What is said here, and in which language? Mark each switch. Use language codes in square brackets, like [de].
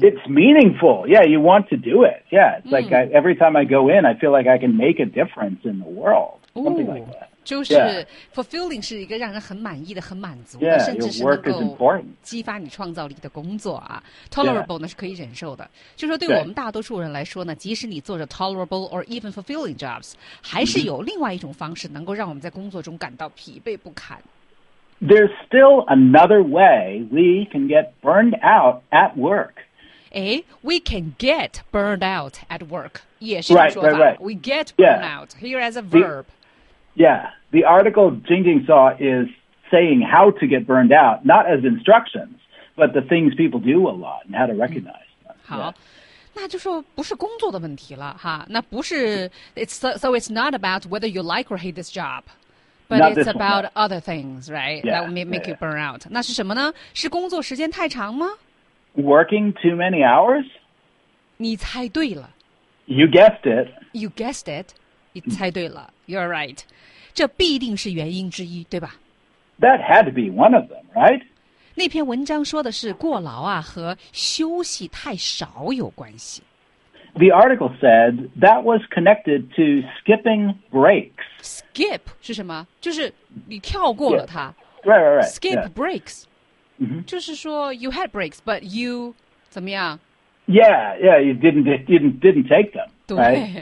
[en] It's meaningful, yeah, you want to do it. Yeah, it's like every time I go in, I feel like I can make a difference in the world. Something like that. [zh] 就是fulfilling是一个让人很满意的,很满足的, [en] yeah, [zh] 甚至是能够激发你创造力的工作啊。 Tolerable呢,是可以忍受的。 [en] Yeah. [zh] 就说对我们大多数人来说呢, 即使你做着 [en] tolerable or even fulfilling jobs, [zh] 还是有另外一种方式能够让我们在工作中感到疲惫不堪。 [en] There's still another way we can get burned out at work. We can get burned out at work. [zh] 也是这个说法。 [en] We get burned out here as a verb. Yeah, the article Jingjing saw is saying how to get burned out, not as instructions, but the things people do a lot and how to recognize them. [zh] 好，那就说不是工作的问题了哈。那不是 [en] so it's not about whether you like or hate this job, but not it's about other things, right? Yeah, that will make you burn out. [zh] 那是什么呢？是工作时间太长吗？ [en] Working too many hours? [zh] 你猜对了。 [en] You guessed it. You guessed it. [zh] 你猜对了, [en] you're right. [zh] 这必定是原因之一,对吧? [en] That had to be one of them, right? [zh] 那篇文章说的是过劳啊和休息太少有关系。 [en] The article said that was connected to skipping breaks. [zh] Skip是什么?就是你跳过了它。 [en] Yeah. Right, right, right. Skip yeah. breaks. Mm-hmm. [zh] 就是说 [en] you had breaks, but you [zh] 怎么样? [en] Yeah, yeah, you didn't take them, right?